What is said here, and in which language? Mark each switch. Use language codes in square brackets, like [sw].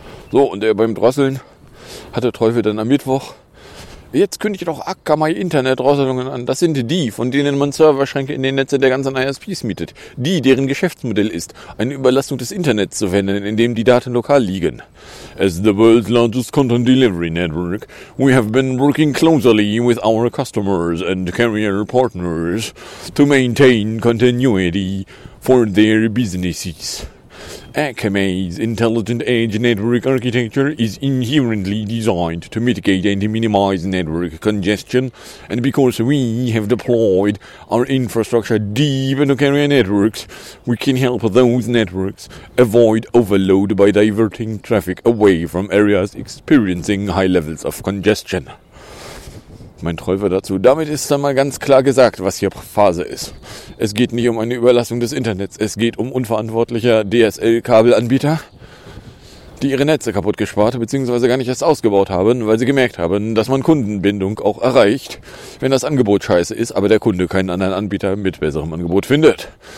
[de] So, und beim Drosseln hat der Teufel dann am Mittwoch, jetzt kündige doch Akamai Internet-Drosselungen an. Das sind die, von denen man Serverschränke in den Netzen der ganzen ISPs mietet. Die, deren Geschäftsmodell ist, eine Überlastung des Internets zu verwenden, in dem die Daten lokal liegen. [en] As the world's largest content delivery network, we have been working closely with our customers and carrier partners to maintain continuity for their businesses. Akamai's Intelligent Edge Network Architecture is inherently designed to mitigate and minimize network congestion, and because we have deployed our infrastructure deep into carrier networks, we can help those networks avoid overload by diverting traffic away from areas experiencing high levels of congestion. [de] Mein Träufer dazu. Damit ist dann mal ganz klar gesagt, was hier Phase ist. Es geht nicht um eine Überlastung des Internets. Es geht um unverantwortliche DSL-Kabelanbieter, die ihre Netze kaputt gespart bzw. gar nicht erst ausgebaut haben, weil sie gemerkt haben, dass man Kundenbindung auch erreicht, wenn das Angebot scheiße ist, aber der Kunde keinen anderen Anbieter mit besserem Angebot findet.